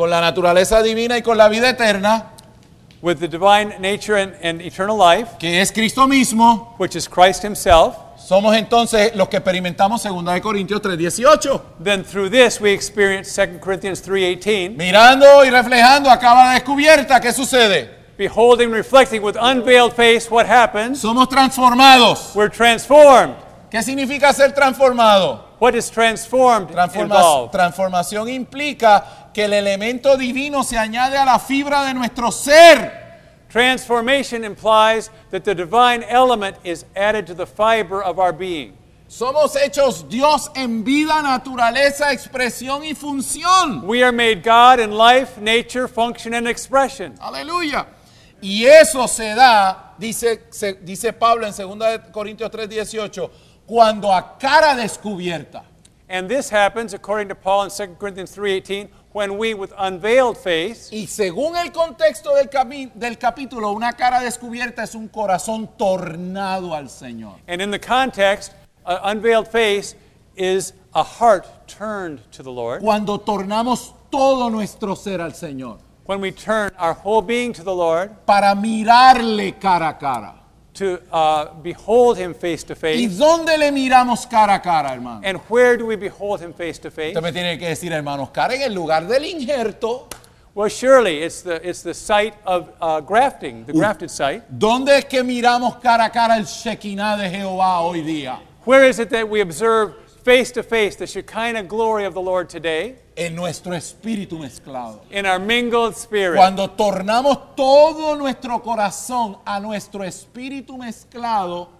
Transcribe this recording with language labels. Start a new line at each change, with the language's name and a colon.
Spanish: Con la naturaleza divina y con la vida eterna.
English: With the divine nature and eternal life,
Spanish: que es Cristo mismo,
English: which is Christ himself,
Spanish: somos entonces los que experimentamos 2 Corintios 3:18.
English: Then through this we experience 2 Corinthians 3:18.
Spanish: Mirando y reflejando a cara descubierta, ¿qué sucede?
English: Beholding, reflecting with unveiled face, what happens?
Spanish: Somos transformados.
English: We're transformed.
Spanish: ¿Qué significa ser transformado?
English: What is transformed involve?
Spanish: Transformación implica que el elemento divino se añade a la fibra de nuestro ser.
English: Transformation implies that the divine element is added to the fiber of our being.
Spanish: Somos hechos Dios en vida, naturaleza, expresión y función.
English: We are made God in life, nature, function and expression.
Spanish: Aleluya. Y eso se da, dice Pablo en 2 Corintios 3:18, cuando a cara descubierta.
English: And this happens according to Paul in 2 Corinthians 3:18. When we with unveiled face,
Spanish: y según el contexto del capítulo, una cara descubierta es un corazón tornado al Señor.
English: And in the context, an unveiled face is a heart turned to the Lord.
Spanish: Cuando tornamos todo nuestro ser al Señor.
English: When we turn our whole being to the Lord.
Spanish: Para mirarle cara a cara.
English: To behold him face to face.
Spanish: ¿Y dónde le miramos cara a cara, hermano?
English: And where do we behold him face to face?
Spanish: Usted me tiene que decir, hermanos, cara en el lugar del injerto.
English: Well, surely it's the site of grafting, the grafted site.
Spanish: ¿Dónde es que miramos cara a cara el Shekinah de Jehová hoy día?
English: Where is it that we observe face to face the Shekinah glory of the Lord today?
Spanish: En nuestro espíritu mezclado.
English: In our mingled spirit.
Spanish: Cuando tornamos todo nuestro corazón a nuestro espíritu mezclado.